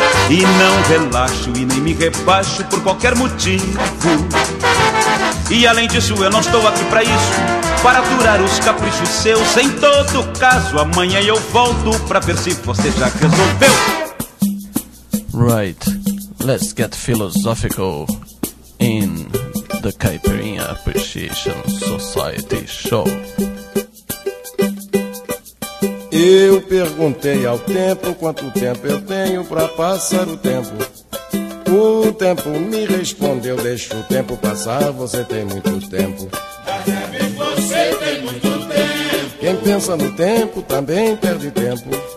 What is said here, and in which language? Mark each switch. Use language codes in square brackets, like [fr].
[pt] E não relaxo e nem me rebaixo por qualquer motivo. E além disso, eu não estou aqui pra isso, para aturar os caprichos seus. Em todo caso, amanhã eu volto pra ver se você já resolveu. [en] Right. Let's get philosophical in the Caipirinha Appreciation Society Show. [pt] Eu perguntei ao tempo quanto tempo eu tenho pra passar o tempo. O tempo me respondeu, deixa o tempo passar, você tem muito tempo. Você tem muito tempo. Quem pensa no tempo também perde tempo.